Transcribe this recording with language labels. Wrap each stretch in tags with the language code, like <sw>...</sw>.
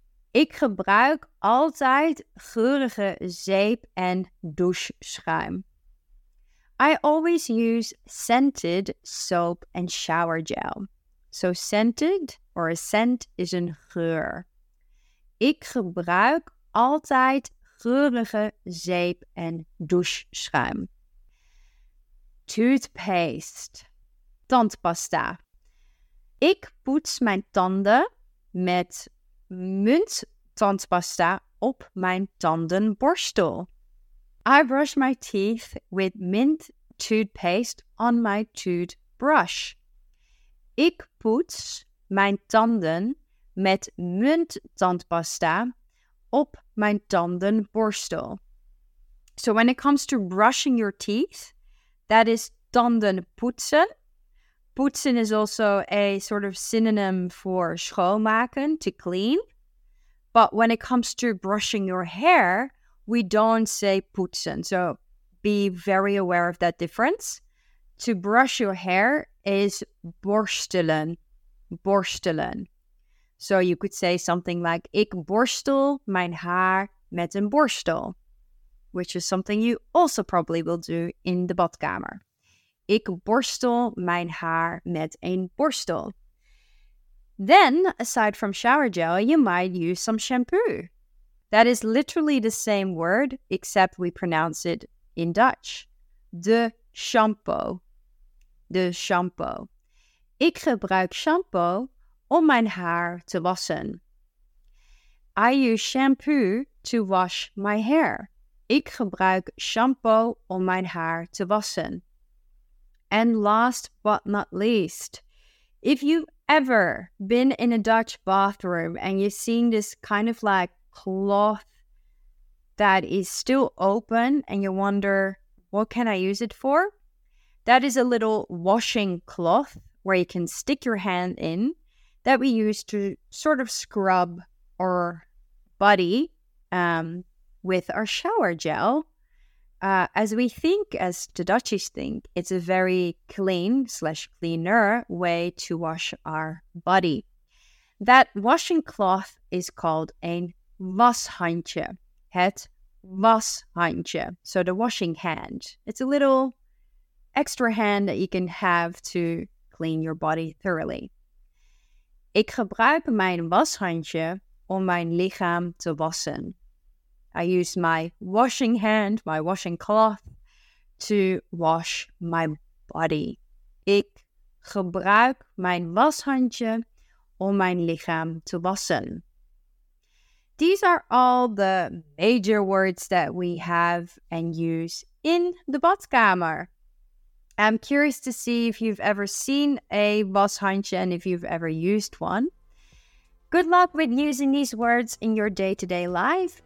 <nl>Ik gebruik altijd geurige zeep en doucheschuim.</nl> <en>I always use scented soap and shower gel. So scented, or a scent, is een geur.</en> <nl>Ik gebruik altijd geurige zeep en doucheschuim. Toothpaste. Tandpasta. Ik poets mijn tanden met munt tandpasta op mijn tandenborstel.</nl> <en>I brush my teeth with mint toothpaste on my toothbrush.</en> <nl>Ik poets mijn tanden met munt tandpasta op mijn tandenborstel.</nl> <en>So when it comes to brushing your teeth, that is tanden poetsen. Poetsen is also a sort of synonym for schoonmaken, to clean. But when it comes to brushing your hair, we don't say poetsen. So be very aware of that difference. To brush your hair is borstelen, borstelen. So you could say something like,</en> <nl>ik borstel mijn haar met een borstel,</nl> <en>which is something you also probably will do in the badkamer.</en> <nl>Ik borstel mijn haar met een borstel.</nl> <en>Then, aside from shower gel, you might use some shampoo. That is literally the same word, except we pronounce it in Dutch.</en> <nl>De shampoo. De shampoo. Ik gebruik shampoo om mijn haar te wassen.</nl> <en>I use shampoo to wash my hair.</en> <nl>Ik gebruik shampoo om mijn haar te wassen.</nl> <en>And last but not least, if you've ever been in a Dutch bathroom and you're seeing this kind of like cloth that is still open and you wonder, what can I use it for? That is a little washing cloth where you can stick your hand in that we use to sort of scrub our body with our shower gel. As we think, as the Dutchies think, it's a very clean / cleaner way to wash our body. That washing cloth is called a washandje. Het washandje. So the washing hand. It's a little extra hand that you can have to clean your body thoroughly.</en> <nl>Ik gebruik mijn washandje om mijn lichaam te wassen.</nl> <en>I use my washing hand, my washing cloth, to wash my body.</en> <nl>Ik gebruik mijn washandje om mijn lichaam te wassen.</nl> <en>These are all the major words that we have and use in the badkamer. I'm curious to see if you've ever seen a washandje and if you've ever used one. Good luck with using these words in your day-to-day life.</en>